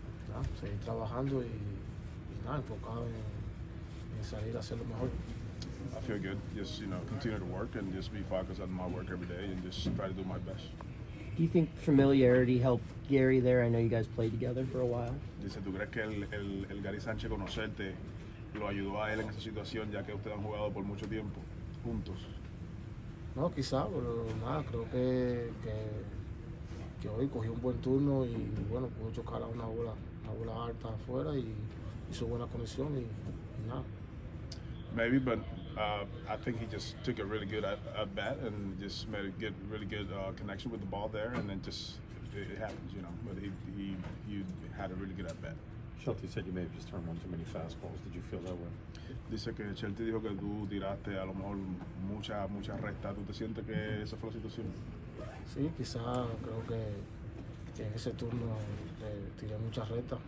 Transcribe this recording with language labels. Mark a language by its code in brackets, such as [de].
[es] Nada, seguir trabajando y nada, enfocado en salir a hacer lo mejor. [en] I feel good. Just, you know, continue to work and just be focused on my work every day and just try to do my best. Do you think familiarity helped Gary there? I know you guys played together for a while. [es] Dice, ¿tú crees que el Gary Sánchez conocerte lo ayudó a él en esa situación, ya que ustedes han jugado por mucho tiempo juntos? No, quizá, pero nada, creo que hoy cogió un buen turno y bueno, pudo chocar a una bola alta afuera y hizo buena conexión y nada. [en] Maybe, but I think he just took a really good at bat and just made a good, really good connection with the ball there, and then just it happens, you know. But he had a really good at bat. Shelty said you may have just thrown one too many fastballs. Did you feel that way? [es] Dice que Shelty dijo que tú tiraste a lo mejor muchas rectas. ¿Tú te sientes que esa fue la situación? Sí, quizá creo que en ese turno tiré muchas rectas.